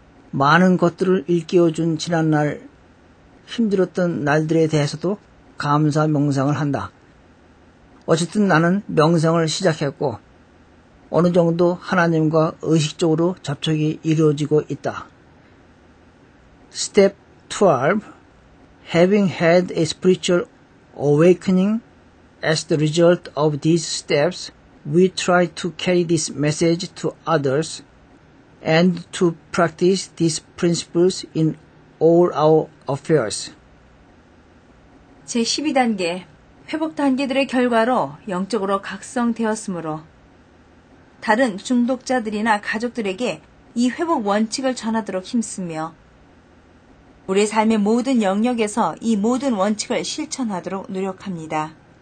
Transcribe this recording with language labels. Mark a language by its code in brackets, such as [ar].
[ko] 많은 것들을 일깨워준 지난날 힘들었던 날들에 대해서도 감사 명상을 한다. 어쨌든 나는 명상을 시작했고 어느 정도 하나님과 의식적으로 접촉이 이루어지고 있다. [en] Step 12. Having had a spiritual awakening as the result of these steps, we try to carry this message to others and to practice these principles in all our affairs. [ko] 제12단계, 회복 단계들의 결과로 영적으로 각성되었으므로 다른 중독자들이나 가족들에게 이 회복 원칙을 전하도록 힘쓰며 우리의 삶의 모든 영역에서 이 모든 원칙을 실천하도록 노력합니다.